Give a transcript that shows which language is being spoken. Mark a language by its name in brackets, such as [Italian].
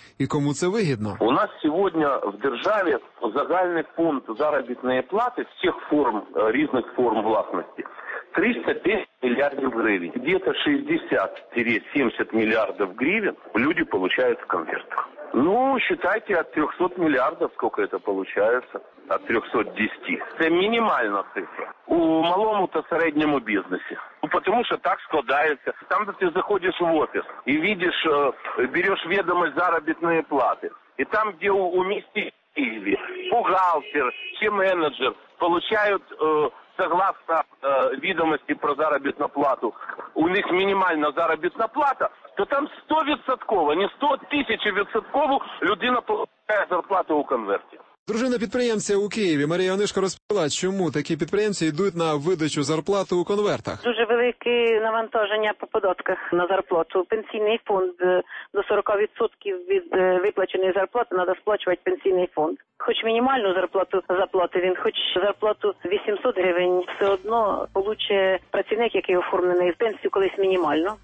[Ukrainian] І кому це вигідно? У нас сьогодні в державі загальний фонд заробітної плати з всіх форм, різних форм власності, 310 мільярдів гривень. Десь 60-70 мільярдів гривень люди отримують в конвертах. [Russian] Ну, считайте, от 300 миллиардов, сколько это получается, от 310. Это минимальная цифра. У малому-то среднему бизнесе. Ну, потому что так складывается. Там ты заходишь в офис и видишь, берешь ведомость заработной платы. И там, где уместители, бухгалтер, чи-менеджер получают, согласно ведомости про заработную плату, у них минимальная заработная плата, то там 100%, не 100-1000% [Ukrainian] людина получает зарплату у конверті. Дружина підприємця у Києві Марія Онишко розповіла, чому такі підприємці йдуть на видачу зарплати у конвертах. Дуже велике навантаження по податках на зарплату. Пенсійний фонд до 40% від виплаченої зарплати треба сплачувати пенсійний фонд. Хоч мінімальну зарплату заплатить він, хоч зарплату 800 гривень, все одно получить працівник, який оформлений в пенсію, колись мінімально.